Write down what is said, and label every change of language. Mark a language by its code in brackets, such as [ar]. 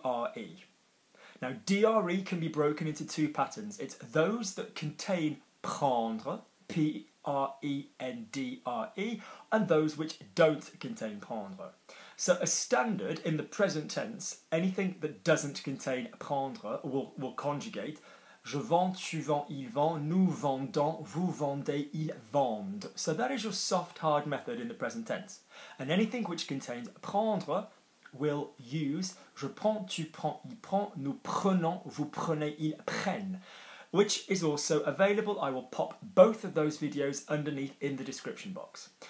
[en] Now, DRE can be broken into two patterns. It's those that contain prendre, PRENDRE, and those which don't contain prendre. So, a standard in the present tense, anything that doesn't contain prendre will conjugate. [fr] Je vends, tu vends, il vend, nous vendons, vous vendez, ils vendent. [en] So that is your soft hard method in the present tense. And anything which contains prendre will use [fr] je prends, tu prends, il prend, nous prenons, vous prenez, ils prennent. [en] Which is also available. I will pop both of those videos underneath in the description box.